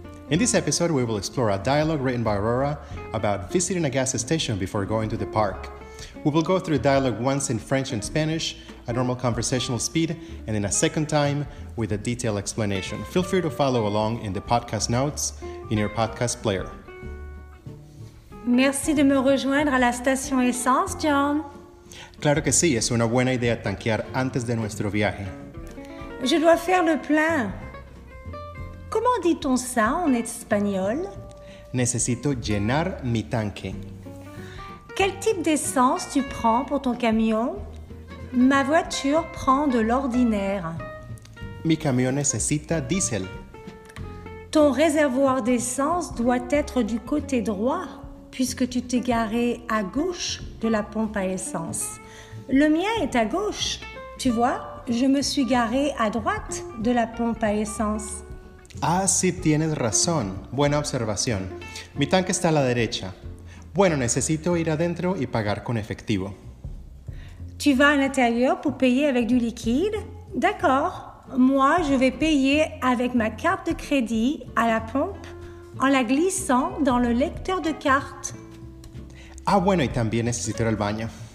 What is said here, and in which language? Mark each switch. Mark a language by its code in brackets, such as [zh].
[en] In this episode, we will explore a dialogue written by Aurora about visiting a gas station before going to the park. We will go through the dialogue once in French and Spanish at normal conversational speed, and then a second time with a detailed explanation. Feel free to follow along in the podcast notes in your podcast player. [fr] Merci de me rejoindre à la station essence, John. [es] Claro que sí, es una buena idea tanquear antes de nuestro viaje. [fr] Je dois faire le plein. Comment dit-on ça en espagnol? [es] Necesito llenar mi tanque. [fr] Quel type d'essence tu prends pour ton camion? Ma voiture prend de l'ordinaire. [es] Mi camión necesita diésel. [fr] Ton réservoir d'essence doit être du côté droit, puisque tu t'es garé à gauche de la pompe à essence. Le mien est à gauche. Tu vois, je me suis garé à droite de la pompe à essence. [es] Ah, sí, tienes razón. Buena observación. Mi tanque está a la derecha. Bueno, necesito ir adentro y pagar con efectivo. [fr] Tu vas à l'intérieur pour payer avec du liquide? D'accord. Moi, je vais payer avec ma carte de crédit à la pompe en la glissant dans le lecteur de carte. [es] Ah bueno, y también necesito el baño.